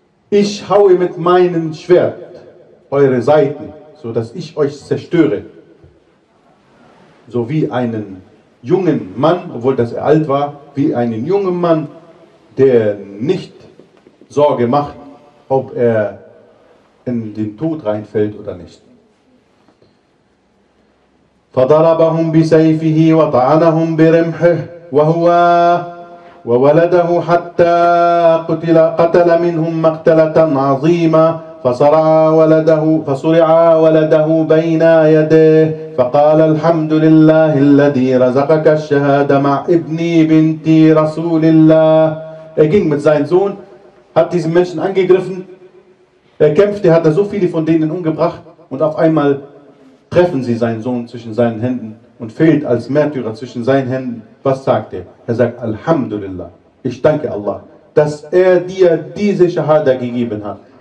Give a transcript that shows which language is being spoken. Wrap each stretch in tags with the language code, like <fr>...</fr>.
<de>Ich haue mit meinem Schwert eure Seiten, sodass ich euch zerstöre. So wie einen jungen Mann, obwohl das er alt war, wie einen jungen Mann, der nicht Sorge macht, ob er in den Tod reinfällt oder nicht.</de> <ar>فضربهم بسيفه وطعنهم برمحه وهو وولده حتى قتل منهم مقتلة عظيمة فصرع ولده بين يديه فقال الحمد لله الذي رزقك الشهادة مع ابني بنتي رسول الله.</ar> <de>Er ging mit seinem Sohn, hat diesen Menschen angegriffen, er kämpfte, hat er so viele von denen umgebracht und auf einmal treffen sie seinen Sohn zwischen seinen Händen und fällt als Märtyrer zwischen seinen Händen. Was sagt er? Er sagt, Alhamdulillah, ich danke Allah, dass er dir diese Shahada gegeben hat.</de>